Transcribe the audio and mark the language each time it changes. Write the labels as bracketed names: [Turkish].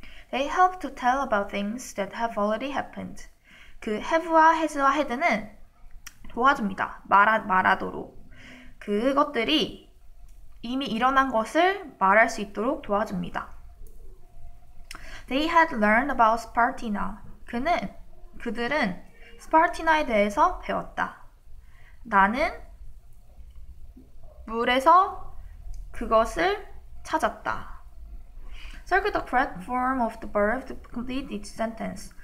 [English] They help to tell about things that have already happened. [Korean] 그 have와 has와 had는 도와줍니다. 말하도록. 그것들이 이미 일어난 것을 말할 수 있도록 도와줍니다. [English] They had learned about Spartina. [Korean] 그들은 Spartina에 대해서 배웠다. 나는 물에서 그것을 찾았다. [English] Circle the correct form of the verb to complete each sentence.